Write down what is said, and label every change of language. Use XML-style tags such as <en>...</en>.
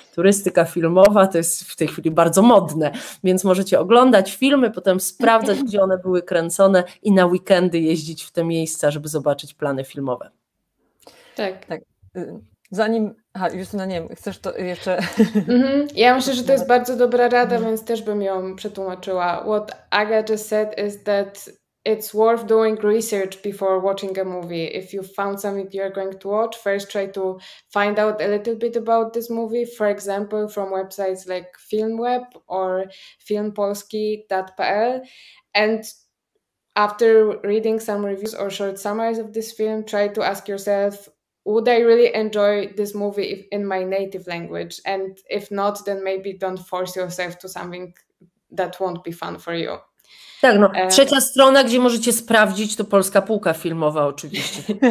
<pl>Turystyka filmowa to jest w tej chwili bardzo modne, więc możecie oglądać filmy, potem sprawdzać, gdzie one były kręcone i na weekendy jeździć w te miejsca, żeby zobaczyć plany filmowe. Tak. Tak. Zanim, Justyna, nie wiem, chcesz to jeszcze... Ja myślę, że to jest bardzo dobra rada, więc też bym ją przetłumaczyła.</pl> <en>What Aga just said is that it's worth doing research before watching a movie. If you found something you're going to watch, first try to find out a little bit about this movie, for example, from websites like FilmWeb or filmpolski.pl. And after reading some reviews or short summaries of this film, try to ask yourself, would I really enjoy this movie in my native language? And if not, then maybe don't force yourself to something that won't be fun for you.</en> <pl>Tak, no. Trzecia strona, gdzie możecie sprawdzić, to polska półka filmowa oczywiście.</pl>